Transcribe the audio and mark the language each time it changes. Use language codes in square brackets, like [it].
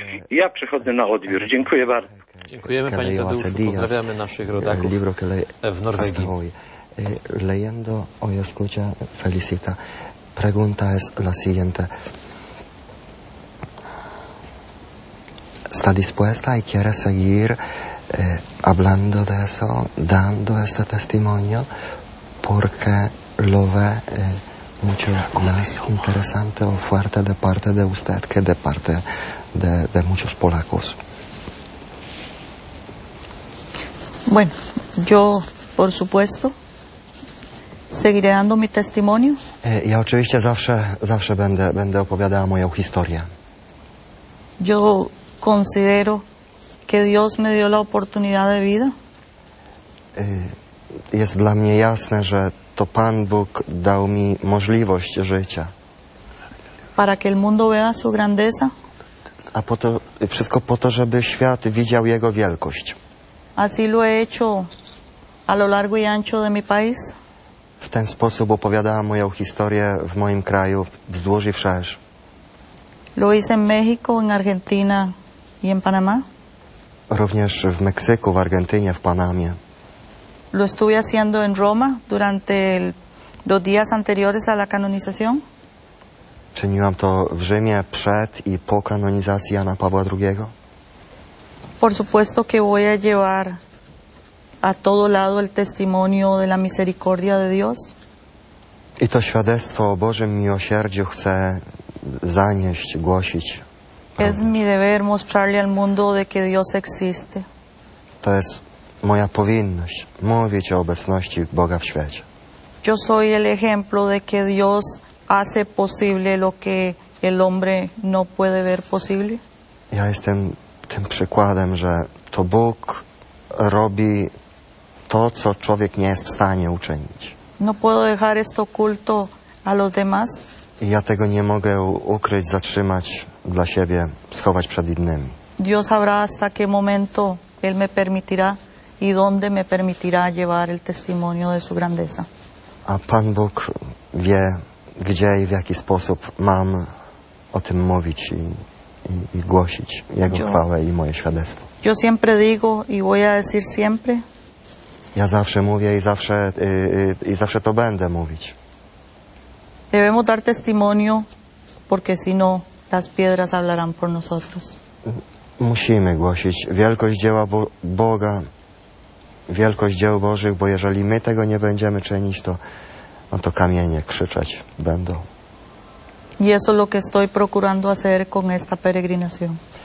[pl] Ja przechodzę na odbiór. Dziękuję bardzo. Dziękujemy pani Tadeuszu. Pozdrawiamy naszych rodaków w Norwegii. [es] Leyendo hoy escucha Felicita. Pregunta es la siguiente. ¿Está dispuesta y quiere seguir hablando de eso, dando este testimonio? Porque lo ve mucho más interesante o fuerte de parte de usted que de parte de muchos polacos. Bueno, yo, por supuesto, seguiré dando mi testimonio. [pl] Ja oczywiście zawsze będę opowiadała moją historię. [es] Yo considero que Dios me dio la oportunidad de vida. [pl] Jest dla mnie jasne, że to Pan Bóg dał mi możliwość życia. [es] Para que el mundo vea su grandeza. [pl] A po to, wszystko po to, żeby świat widział jego wielkość. [es] Así lo he hecho a lo largo y ancho de mi país. [pl] W ten sposób opowiadałam moją historię w moim kraju, wzdłuż i wszerz. [es] Lo hice en México, en Argentina y en Panamá. [pl] Również w Meksyku, w Argentynie, w Panamie. [es] Lo estuve haciendo en Roma durante los días anteriores a la canonización. [pl] Czyniłam to w Rzymie przed i po kanonizacji Jana Pawła II. [es] Por supuesto que voy a llevar a todo lado el testimonio de la misericordia de Dios. [pl] I to świadectwo o Bożym miłosierdziu chcę zanieść, głosić. [es] Es mi deber mostrarle al mundo de que Dios existe. [pl] To jest moja powinność mówić o obecności Boga w świecie. [es] Yo soy el ejemplo de que Dios hace posible lo que el hombre no puede ver posible. [pl] Ja jestem tym przykładem, że to Bóg robi to, co człowiek nie jest w stanie uczynić. [es] No puedo dejar esto oculto a los demás. [pl] I ja tego nie mogę ukryć, zatrzymać dla siebie, schować przed innymi. [es] Dios sabrá hasta qué momento él me permitirá y dónde me permitirá llevar el testimonio de su grandeza. [pl] A Pan Bóg wie, gdzie i w jaki sposób mam o tym mówić i głosić jego chwałę i moje świadectwo. [es] Yo siempre digo y voy a decir siempre. [pl] Ja zawsze mówię i zawsze i zawsze to będę mówić. [es] Debemos dar testimonio porque si no las piedras hablarán por nosotros. [pl] Musimy głosić wielkość dzieła Boga, wielkość dzieł Bożych, bo jeżeli my tego nie będziemy czynić, to kamienie krzyczeć będą. [es] Y eso es lo que estoy procurando hacer con esta peregrinación.